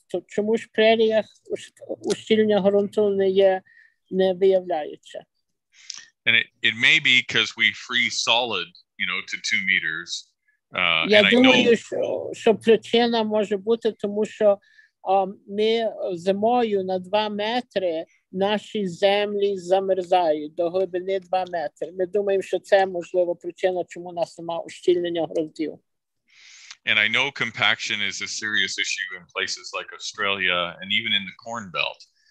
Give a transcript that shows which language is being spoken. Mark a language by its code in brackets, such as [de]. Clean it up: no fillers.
[uk] То чому ж в преріях ущільнення ґрунту не є? Не виявляється. [en] And it may be because we freeze solid, you know, to 2 meters. [uk] Я думаю, що причина може бути тому, що ми зимою на 2 метри наші землі замерзають до глибини 2 метри. Ми думаємо, що це, можливо, причина, чому у нас немає ущільнення ґрунтів. [en] And I know compaction is a serious issue in places like Australia and even in the Corn Belt.